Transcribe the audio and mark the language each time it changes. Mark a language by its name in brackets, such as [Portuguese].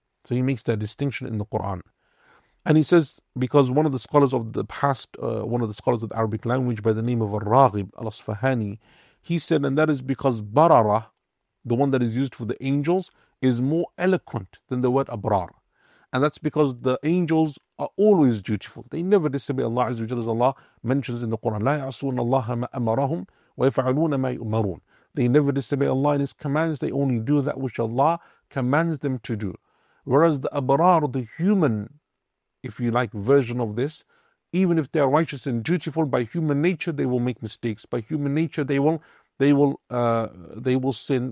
[English] So he makes that distinction in the Quran. And he says, because one of the scholars of the past, one of the scholars of the Arabic language by the name of Al-Raghib Al-Asfahani, he said, and that is because barara, the one that is used for the angels, is more eloquent than the word abrar. And that's because the angels are always dutiful. They never disobey Allah Azza wa Jalla, as Allah mentions in the Quran. [Arabic] لا يعصون الله ما أمرهم ويفعلون ما يؤمرون. [English] They never disobey Allah in His commands. They only do that which Allah commands them to do. Whereas the abrar, the human, if you like, version of this, even if they are righteous and dutiful, by human nature they will make mistakes. By human nature they will sin.